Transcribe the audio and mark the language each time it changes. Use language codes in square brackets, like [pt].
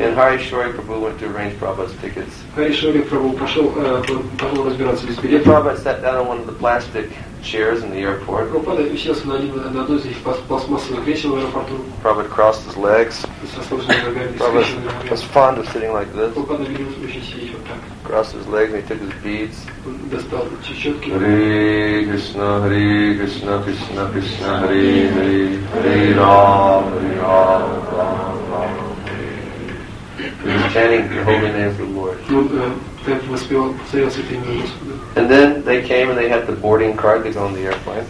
[en] And Hari Shori Prabhu went to arrange Prabhupada's tickets. [ru] Hari Shori Prabhu пошел разбираться без билетов. [en] Prabhupada sat down on one of the plastic chairs in the airport. [ru] Прабхупада уселся на один из этих пластмассовых кресел в аэропорту. [en] Prabhupada crossed his legs. Prabhupada was fond of sitting like this. [ru] Прабхупада любил очень сидеть вот так. [en] Crossed his legs and he took his beads. [ru] Достал чечетки. [sa] Hare Krishna, Hare Krishna, Krishna Krishna, Hare Hare, Hare Ram, Hare Ram, Ram Ram, Hare. [en] He was chanting the holy name of the Lord. And then they came and they had the boarding card to go on the airplane.